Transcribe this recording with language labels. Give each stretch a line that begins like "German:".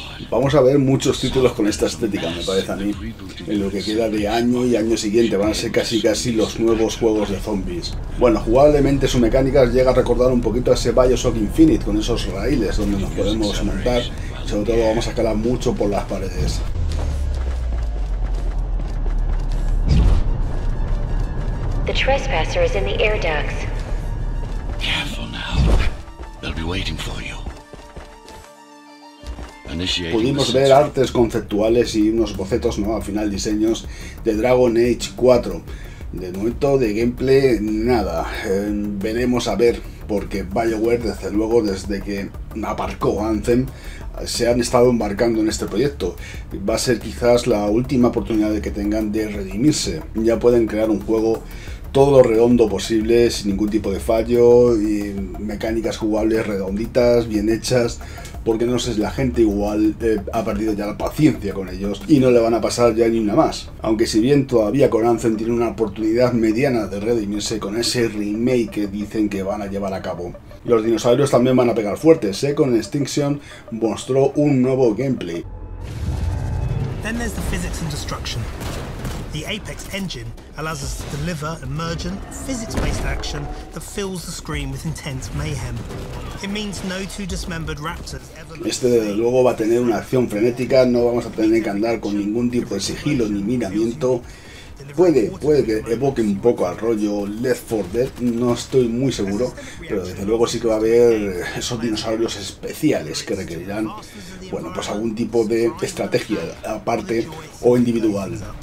Spanish: Vamos a ver muchos títulos con esta estética, me parece a mí, en lo que queda de año y año siguiente. Van a ser casi los nuevos juegos de zombies. Bueno, jugablemente su mecánica llega a recordar un poquito a ese Bioshock Infinite, con esos raíles donde nos podemos montar. Sobre todo vamos a escalar mucho por las paredes.
English: The trespasser is in the air ducts. Careful now. They'll be waiting for you.
Spanish: Pudimos ver artes conceptuales y unos bocetos, ¿no? Al final diseños de Dragon Age 4. De momento de gameplay nada. Veremos a ver, porque BioWare, desde luego, desde que aparcó Anthem, se han estado embarcando en este proyecto. Va a ser quizás la última oportunidad que tengan de redimirse. Ya pueden crear un juego todo lo redondo posible, sin ningún tipo de fallo, y mecánicas jugables redonditas, bien hechas, porque no sé si la gente igual ha perdido ya la paciencia con ellos y no le van a pasar ya ni una más. Aunque si bien todavía con Anthem tiene una oportunidad mediana de redimirse con ese remake que dicen que van a llevar a cabo. Los dinosaurios también van a pegar fuerte. Second Extinction mostró un nuevo gameplay.
English: Then there's the physics and destruction. The Apex engine allows us to deliver emergent, physics-based action that fills the screen with intense mayhem. It means no two dismembered raptors ever.
Spanish: Este desde luego va a tener una acción frenética. No vamos a tener que andar con ningún tipo de sigilo ni miramiento. Puede que evoque un poco al rollo Left 4 Dead, no estoy muy seguro, pero desde luego sí que va a haber esos dinosaurios especiales que requerirán, bueno, pues algún tipo de estrategia aparte o individual.